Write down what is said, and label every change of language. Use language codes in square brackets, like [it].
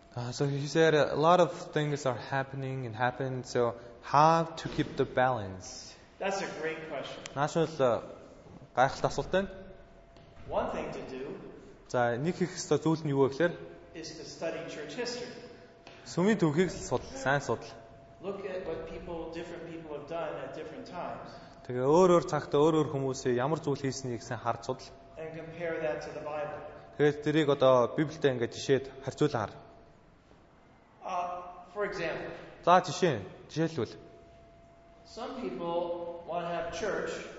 [en] So he said a lot of things are happening and happen, so how to keep the balance? That's a great question. [mn] Нашл гайхалтай асуулт байна. [en] One thing to do. [mn] За нэг их хэсэг зүйл нь юу вэ гэхээр? [en] Is to study church history. [mn] Сүмийн түүхийг судал, сайн судал. [en] Look at what people different people have done at different times. [mn] Тэгээ өөр өөр цагт өөр өөр хүмүүс ямар зүйл хийснийг сайн харж судал. [en] And compare that to the Bible. [mn] Тэгээд тэрийг одоо Библиэд ингээд жишээд харьцуулаа хар. [en] For example. [mn] За жишээ. Жишээлбэл. [en] Some people want to have church.